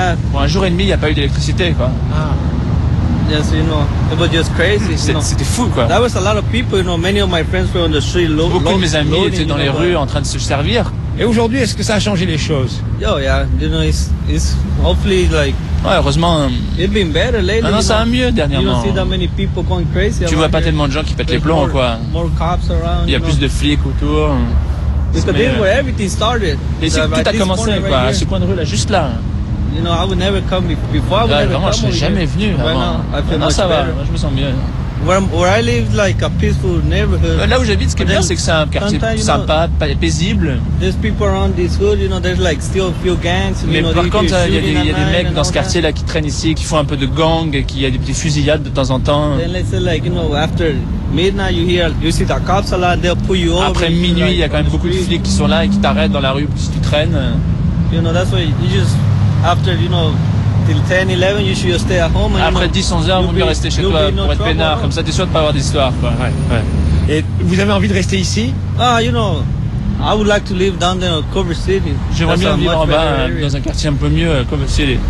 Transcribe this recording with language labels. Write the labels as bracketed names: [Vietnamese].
[French] Pour un jour et demi, il n'y a pas eu d'électricité, quoi. C'était fou, quoi. [English] That was a lot of people, you know. Many of my friends were on the street. [French] Beaucoup de mes amis étaient dans les rues en train de se servir. Et aujourd'hui, est-ce que ça a changé les choses? [English] You know, it's hopefully like. [French] Ouais, heureusement. [English] It's been better lately. [French] Maintenant, ça va mieux dernièrement. [English] You don't see that many people going crazy. [French] Tu vois pas tellement de gens qui pètent les plombs, quoi. [English] More cops around. [French] Il y a plus de flics autour. [English] Because this is where everything started. [French] Et c'est tout a commencé, quoi. À ce coin de rue là, juste là. [English] You know, I would never come before. [French] Vraiment, je suis jamais venu avant. Maintenant, ça va. Moi, je me sens mieux. [English] Where I live, like a peaceful neighborhood. [French] Là où j'habite, ce qui est bien, c'est que c'est un quartier sympa, paisible. [English] There's people around this hood, you know. There's like still a few gangs. [French] Mais [English] you [French] par contre, il y a des mecs dans ce quartier là qui traînent ici, qui font un peu de gang, qui y a des fusillades de temps en temps. [English] Then let's say like, you know, after midnight, you see the cops a lot. They'll pull you over. [French] Après minuit, il y a quand même beaucoup de flics qui sont là et qui t'arrêtent dans la rue si tu traînes. [English] You know, that's why you just after, you know. Till 10, 11, you should stay at home. [French] Après 10-11 heures, vaut mieux rester chez toi pour être peinard. Comme ça, t'es sûr de pas avoir d'histoire. Ouais, ouais. Et vous avez envie de rester ici? [English] Ah, you know, I would like to live down there, Culver City. [French] J'aimerais bien vivre en bas, dans un quartier un peu mieux, Culver City.